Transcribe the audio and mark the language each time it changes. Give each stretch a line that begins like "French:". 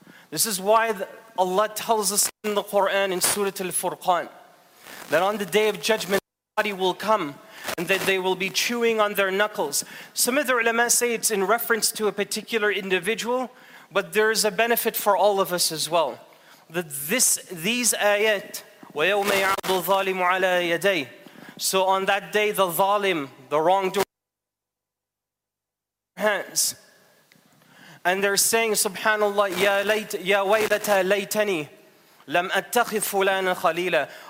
English: This is why Allah tells us in the Quran, in Surah Al-Furqan, that on the day of judgment, somebody will come and that they will be chewing on their knuckles. Some of the ulama say it's in reference to a particular individual, but there is a benefit for all of us as well. That these ayat,
Arabic: وَيَوْمَ يَعْضُ الظَّالِمُ عَلَىٰ يَدَيْهِ.
English: So on that day, the zalim, the wrongdoer, hands. And they're saying, subhanAllah,
Arabic: ya waylata laytani lam attakhid fulana khalila.